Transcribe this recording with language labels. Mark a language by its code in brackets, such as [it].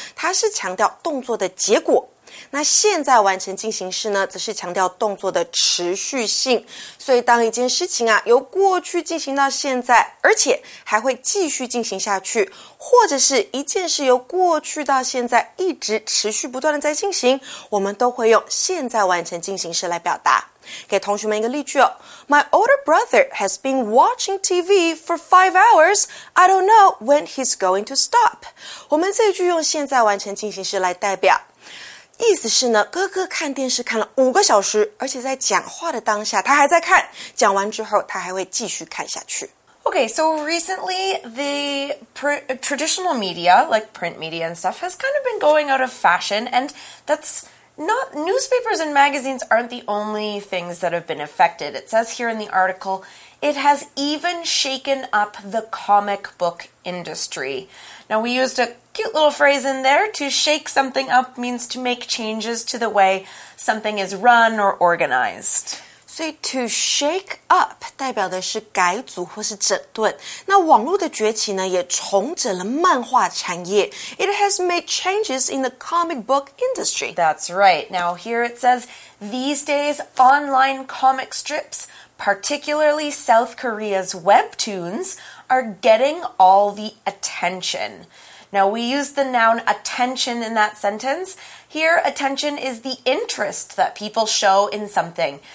[zh] 它是强调动作的结果。那现在完成进行式呢则是强调动作的持续性。所以当一件事情啊由过去进行到现在而且还会继续进行下去或者是一件事由过去到现在一直持续不断的在进行我们都会用现在完成进行式来表达。给同学们一个例句哦。 [en] My older brother has been watching TV for 5 hours. I don't know when he's going to stop. [zh] 我们这句用现在完成进行式来代表。意思是呢，哥哥看电视看了5个小时，而且在讲话的当下，他还在看，讲完之后，他还会继续看下去。 [en] Okay, so recently, the traditional media, like print media and stuff, has kind of been going out of fashion, and that's not, newspapers and magazines aren't the only things that have been affected. It says here in the article, it has even shaken up the comic book industry. Now, we used a cute little phrase in there. To shake something up means to make changes to the way something is run or organized. So, to shake up [zh] 代表的是改组或是整顿。那网络的崛起呢，也重整了漫画产业。 [en] It has made changes in the comic book industry. That's right. Now, here it says, these days, online comic strips... particularly South Korea's webtoons, are getting all the attention. Now, we use the noun attention in that sentence. Here, attention is the interest that people show in something.